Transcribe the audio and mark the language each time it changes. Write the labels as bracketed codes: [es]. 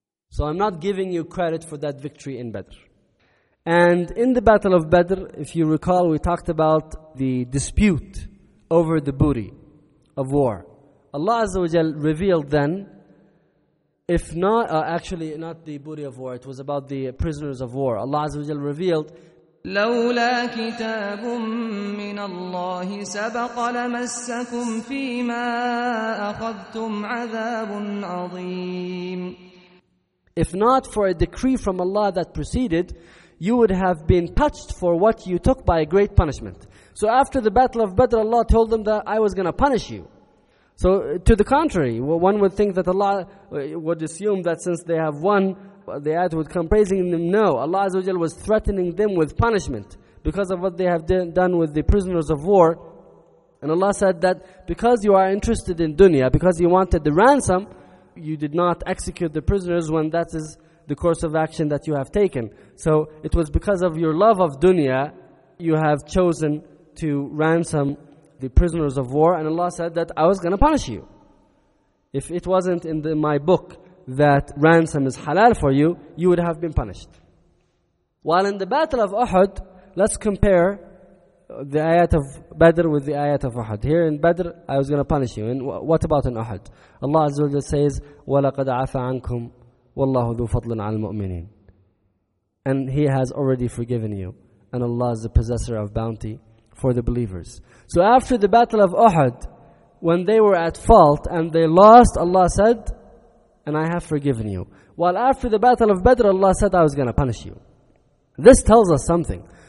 [en] So I'm not giving you credit for that victory in Badr. And in the Battle of Badr, if you recall, we talked about the dispute over the booty of war. Allah Azza wa Jal revealed then, not the booty of war, it was about the prisoners of war. Allah Azza wa Jal revealed, [ar] لولا كتاب من الله سبق لمسكم فيما أخذتم عذاب عظيم. [en] If not for a decree from Allah that preceded, you would have been touched for what you took by a great punishment. So after the battle of Badr, Allah told them that I was going to punish you. So to the contrary, one would think that Allah would assume that since they have won, the ayat would come praising them. No, Allah Azza wa Jalla was threatening them with punishment because of what they have done with the prisoners of war. And Allah said that because you are interested in dunya, because you wanted the ransom, you did not execute the prisoners when that is the course of action that you have taken. So it was because of your love of dunya, you have chosen to ransom the prisoners of war. And Allah said that I was going to punish you. If it wasn't in my book that ransom is halal for you, you would have been punished. While in the battle of Uhud, let's compare the ayat of Badr with the ayat of Uhud. Here in Badr, I was going to punish you. And what about in Uhud? Allah Azza wa Jalla says, [ar] وَلَقَدْ عَفَ عَنْكُمْ وَاللَّهُ ذُو فَضْلٍ عَلَى الْمُؤْمِنِينَ. [en] And He has already forgiven you. And Allah is the possessor of bounty for the believers. So after the battle of Uhud, when they were at fault and they lost, Allah said, and I have forgiven you. While after the battle of Badr, Allah said, I was going to punish you. This tells us something.